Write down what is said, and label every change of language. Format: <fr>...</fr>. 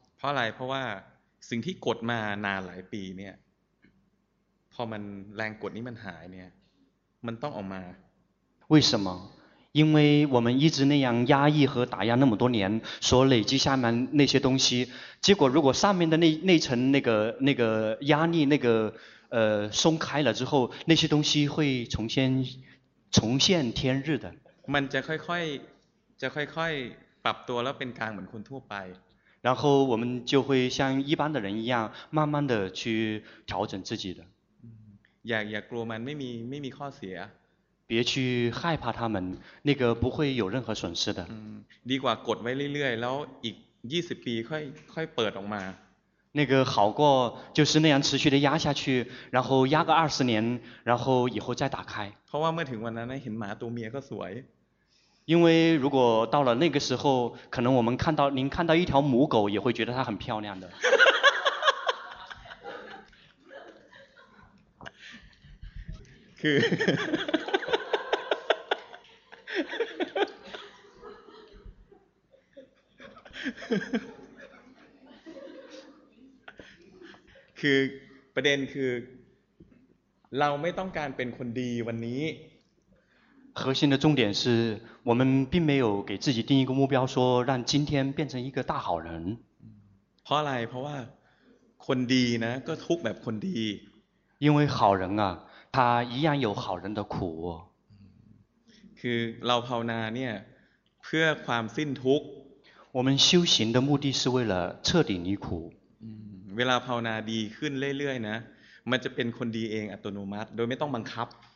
<th>เพราะอะไรเพราะว่าสิ่งที่กดมานานหลายปีเนี่ยพอมันแรงกดนี้มันหายเนี่ยมันต้องออกมา</th> <zh>为什么因为我们一直那样压抑和打压那么多年所累积下面那些东西结果如果上面的那层那个压力那个松开了之后那些东西会重现天日的</zh> <th>มันจะค่อยปรับตัวแล้วเป็นกลางเหมือนคนทั่วไป</th> <zh>然后我们就会像一般的人一样慢慢的去调整自己的</zh> <th>อย่ากลัวมันไม่มีข้อเสีย</th> <zh>别去害怕他们那个不会有任何损失的</zh> <th>ดีกว่ากดไว้เรื่อยๆแล้วอีก20ปีค่อยเปิดออกมา</th> <zh>那个好过就是那样持续的压下去然后压个20年然后以后再打开</zh> <th>เพราะว่าเมื่อถึงวันนั้นเห็นหมาตัวเมียก็สวย</th> <zh>因为如果到了那个时候可能我们看到您看到一条母狗也会觉得它很漂亮的</zh> <th>คือ คือประเด็นคือเราไม่ต้องการเป็นคนดีวันนี้</th> <zh>核心的重点是我们并没有给自己定一个目标说让今天变成一个大好人</zh> <th>เพราะอะไรเพราะว่าคนดีนะก็ทุกแบบคนดี</th> <zh>因为好人啊他一样有好人的苦</zh> <th>คือเราภาวนาเนี่ยเพื่อความสิ้นทุกข์</th> <zh>我们修行的目的是为了彻底离苦</zh> <th>เวลาภาวนาดีขึ้นเรื่อยๆนะมันจะเป็นคนดีเองอัตโนมัติโดยไม่ต้องบังคับ</th>